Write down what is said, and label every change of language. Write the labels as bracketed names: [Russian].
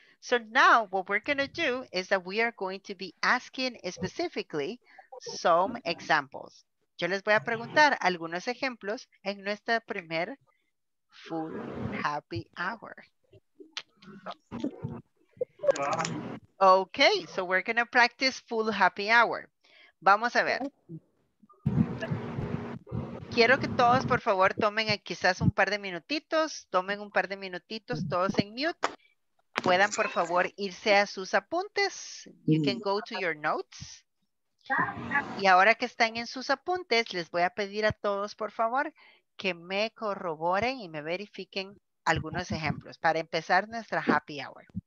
[English] So now what we're going to do is that we are going to be asking specifically some examples. [Spanish] Yo les voy a preguntar algunos ejemplos en nuestra primer full happy hour. [English] Okay, so we're going to practice full happy hour. [Spanish] Vamos a ver. Quiero que todos, por favor, tomen quizás un par de minutitos, todos en mute. Puedan, por favor, irse a sus apuntes. [English] You can go to your notes. [Spanish] Y ahora que están en sus apuntes, les voy a pedir a todos, por favor, que me corroboren y me verifiquen algunos ejemplos para empezar nuestra happy hour.